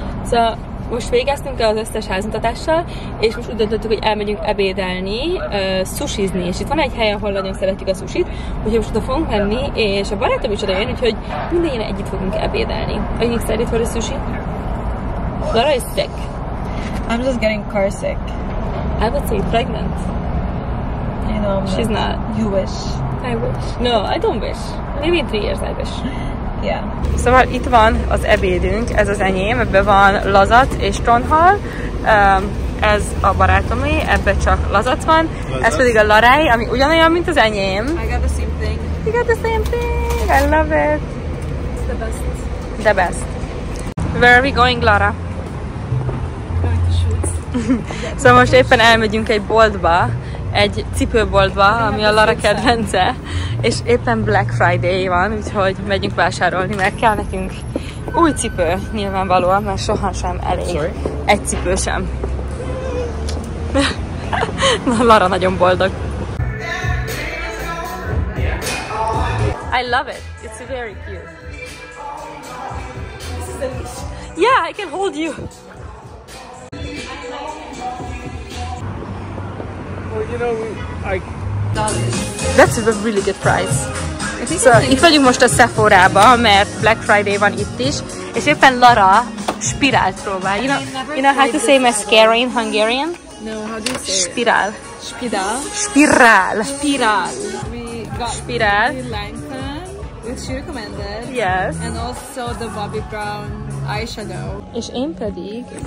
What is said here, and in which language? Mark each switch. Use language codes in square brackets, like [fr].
[hu] So, most végeztünk az összes házmutatással, és most úgy döntöttük, hogy elmegyünk ebédelni, sushizni, és itt van egy hely, ahol nagyon szeretik a sushit, úgyhogy most oda fogunk menni, és a barátom is oda jön, úgyhogy minden ilyen együtt fogunk ebédelni. [en] Are you excited for the sushi? Lara is sick. I'm just getting car sick. I would say pregnant. You know, she's not. You wish. I wish. No, I don't wish. Maybe in 3 years I wish. Yeah. [hu] Szóval itt van az ebédünk, ez az enyém, ebben van lazac és tonhal, ez a barátomé, ebben csak lazac van, lazac. Ez pedig a larály, ami ugyanolyan, mint az enyém. [en] I got the same thing. You got the same thing, I love it. It's the best. The best. Where are we going, Lara? Going to shoots. [hu] Szóval most éppen elmegyünk egy boltba, egy cipőboltba, ami a Lara kedvence. És éppen Black Friday van, úgyhogy megyünk vásárolni, mert kell nekünk új cipő, nyilvánvalóan, mert sohasem elég. [en] Sorry. [hu] Egy cipő sem. Na, Lara nagyon boldog. [en] I love it. It's very cute. Yeah, I can hold you. Well, you know, That's a really good price. [hu] So, itt vagyunk most a Sephora-ba, mert Black Friday van itt is, és éppen Lara spirált próbál. [en] You know how to say mascara in Hungarian? No, how do you say it? [hu] Spirál. Spirál? Spirál. Spirál. Spirál. [en] Which you recommended. Yes. And also the Bobbi Brown eyeshadow. [hu] És én pedig...